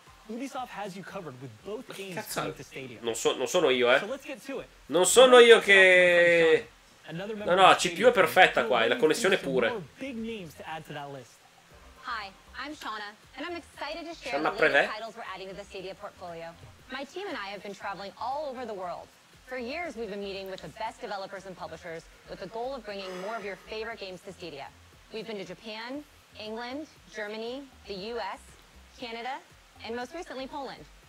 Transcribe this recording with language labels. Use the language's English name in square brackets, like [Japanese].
[English] Ubisoft has you covered with both games coming to Stadia. [Italian] Non sono io che No, no, la CPU è perfetta qua, e la connessione pure. [English] Hi, I'm Shauna, and I'm excited to share the latest titles we're adding to the Stadia portfolio. My team and I have been traveling all over the world. For years we've been meeting with the best developers and publishers with the goal of bringing more of your favorite games to Stadia. We've been to Japan, England, Germany, the US, Canada, and most recently Poland.